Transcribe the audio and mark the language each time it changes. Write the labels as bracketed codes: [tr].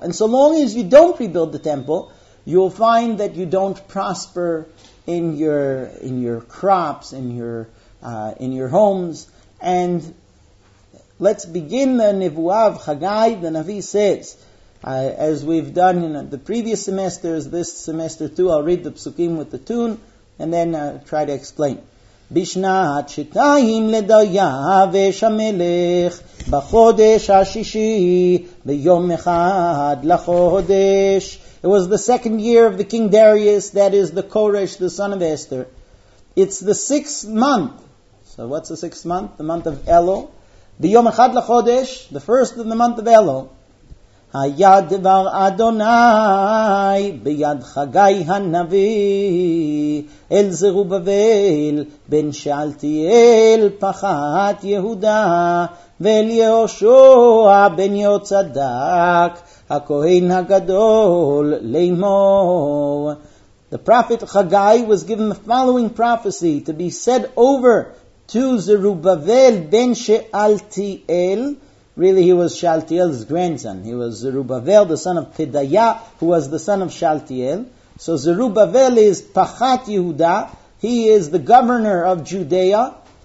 [en] And so long as you don't rebuild the temple, you'll find that you don't prosper in your crops, in your homes. And let's begin the Nevuah of Haggai. The Navi says, as we've done in the previous semesters, this semester too, I'll read the psukim with the tune and then try to explain. [he] בשנת שתיים לדייבש המלך בחודש השישי ביום אחד לחודש. [en] It was the second year of the king Darius, that is the Koresh, the son of Esther. It's the sixth month. So what's the sixth month? The month of Elul. [he] ביום אחד לחודש, [en] the first of the month of Elul. [he] היה דבר אדוני ביד חגי הנביא אל זרובבל בן שאלתיאל פחת יהודה ואל יהושע בן יהוצדק הכהן הגדול לאמור. [en] The prophet Haggai was given the following prophecy to be said over to Zerubbabel ben Shealtiel. Really, he was Shealtiel's grandson. He was Zerubbabel, the son of Pedaiah, who was the son of Shealtiel. So Zerubbabel is Pachat Yehuda. He is the governor of Judea.